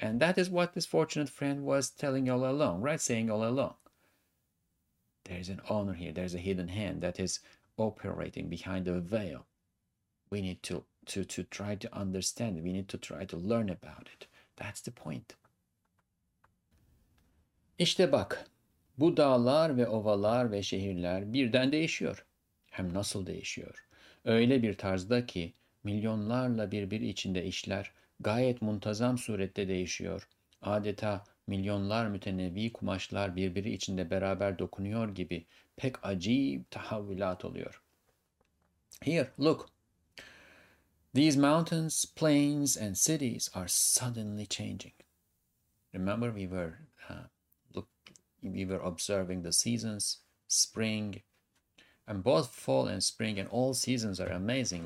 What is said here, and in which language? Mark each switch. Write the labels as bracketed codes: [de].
[en] And that is what this fortunate friend was telling all along, right? Saying all along. There is an owner here. There is a hidden hand that is operating behind the veil. We need to try to understand it. We need to try to learn about it. That's the point. [tr] İşte bak, bu dağlar ve ovalar ve şehirler birden değişiyor. Hem nasıl değişiyor? Öyle bir tarzda ki milyonlarla birbiri içinde işler gayet muntazam surette değişiyor. Adeta milyonlar mütenevi kumaşlar birbiri içinde beraber dokunuyor gibi pek acayip tahavvülat oluyor. [en] Here, look. These mountains, plains and cities are suddenly changing. Remember, we were observing the seasons, spring, and both fall and spring and all seasons are amazing.